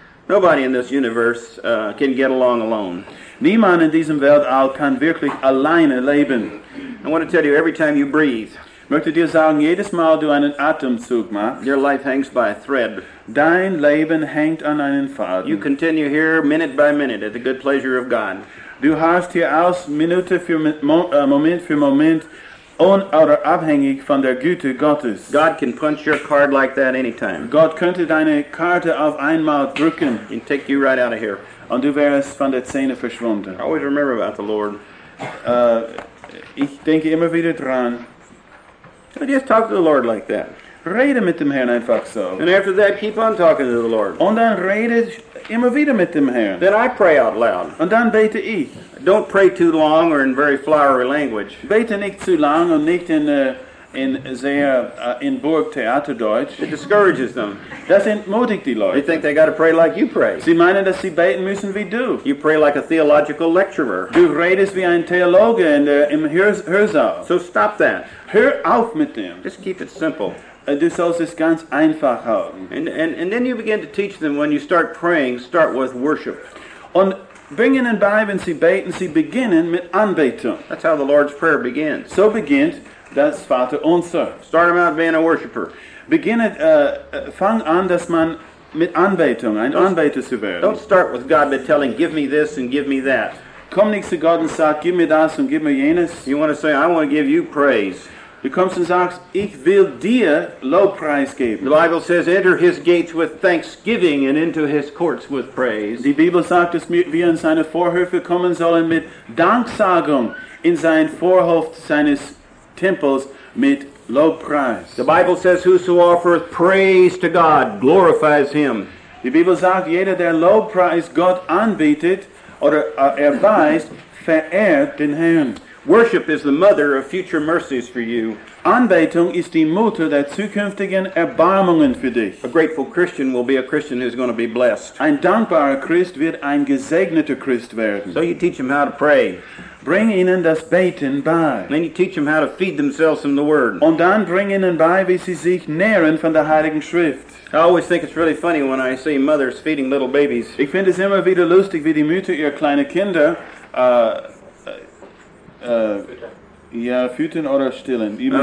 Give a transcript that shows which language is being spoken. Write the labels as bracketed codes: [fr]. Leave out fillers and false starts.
[en] Nobody in this universe can get along alone. [de] Niemand in diesem Weltall kann wirklich alleine leben. [en] I want to tell you, every time you breathe, [de] möchte dir sagen, jedes Mal du einen Atemzug machst, [en] your life hangs by a thread. [de] Dein Leben hängt an einen Faden. [en] You continue here minute by minute at the good pleasure of God. [de] Du hast hier aus Minute für Moment für Moment oder abhängig von der Güte Gottes. [en] God can punch your card like that anytime. [de] Gott könnte deine Karte auf einmal drücken [en] and take you right out of here. [de] Und du wärst von der Szene verschwunden. [en] I always remember about the Lord. [de] Ich denke immer wieder dran. [en] So just talk to the Lord like that. [de] Rede mit dem Herrn einfach so. [en] And after that, keep on talking to the Lord. [de] Und dann rede immer wieder mit dem Herrn. [en] Then I pray out loud. [de] Und dann bete ich. [en] Don't pray too long or in very flowery language. [de] Bete nicht zu lang und nicht in Burg Theaterdeutsch. [en] It discourages them. [de] Das entmutigt die Leute. [en] They think they got to pray like you pray. [de] Sie meinen, dass sie beten müssen wie du. [en] You pray like a theological lecturer. [de] Du redest wie ein Theologe in im Hörsaal. [en] So stop that. [de] Hör auf mit dem. [en] Just keep it simple. [de] Du sollst es ganz einfach halten. [en] And then you begin to teach them when you start praying, start with worship. [de] Und bring ihnen bei, wenn sie beten, sie beginnen mit Anbetung. [en] That's how the Lord's Prayer begins. So begins [de] das Vater Unser. [en] Start them out being a worshiper. [de] Fang an, dass man mit Anbetung, ein Anbeter zu werden. [en] Don't start with God by telling, give me this and give me that. [de] Komm nicht zu Gott und sag, gib mir das und gib mir jenes. [en] You want to say, I want to give you praise. [de] Du kommst und sagst, ich will dir Lobpreis geben. [en] The Bible says, enter his gates with thanksgiving and into his courts with praise. [de] Die Bibel sagt, dass wir in seine Vorhöfe kommen sollen mit Danksagung in sein Vorhof seines Temples mit Lobpreis. [en] The Bible says, whoso offereth praise to God glorifies him. [de] Die Bibel sagt, jeder, der Lobpreis Gott anbietet oder erweist, verehrt den Herrn. [en] Worship is the mother of future mercies for you. [de] Anbetung ist die Mutter der zukünftigen Erbarmungen für dich. [en] A grateful Christian will be a Christian who's going to be blessed. [de] Ein dankbarer Christ wird ein gesegneter Christ werden. [en] So you teach them how to pray. [de] Bring ihnen das Beten bei. [en] Then you teach them how to feed themselves from the Word. [de] Und dann bring ihnen bei, wie sie sich nähren von der Heiligen Schrift. [en] I always think it's really funny when I see mothers feeding little babies. [de] Ich finde es immer wieder lustig, wie die Mütter ihre kleinen Kinder füttern oder stillen.